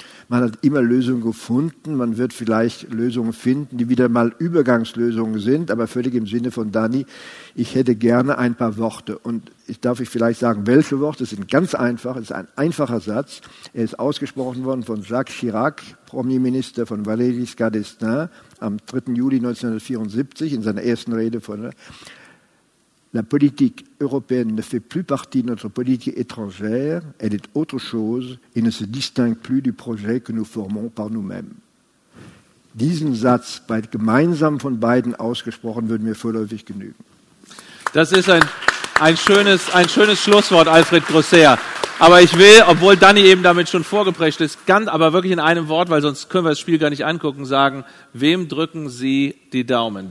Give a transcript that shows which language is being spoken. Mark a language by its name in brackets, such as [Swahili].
[German] Man hat immer Lösungen gefunden. Man wird vielleicht Lösungen finden, die wieder mal Übergangslösungen sind, aber völlig im Sinne von Dani. Ich hätte gerne ein paar Worte. Und darf ich vielleicht sagen, welche Worte? Das sind ganz einfach. Es ist ein einfacher Satz. Er ist ausgesprochen worden von Jacques Chirac, Premierminister von Valéry Giscard d'Estaing, am 3. Juli 1974 in seiner ersten Rede von [French] La politique européenne ne fait plus partie de notre politique étrangère, elle est autre chose et ne se distingue plus du projet que nous formons par nous-mêmes. [German] Diesen Satz gemeinsam von beiden ausgesprochen würde mir vorläufig genügen. Das ist ein schönes Schlusswort, Alfred Grosseur. Aber ich will, obwohl Dani eben damit schon vorgeprescht ist, ganz, aber wirklich in einem Wort, weil sonst können wir das Spiel gar nicht angucken, sagen, wem drücken Sie die Daumen?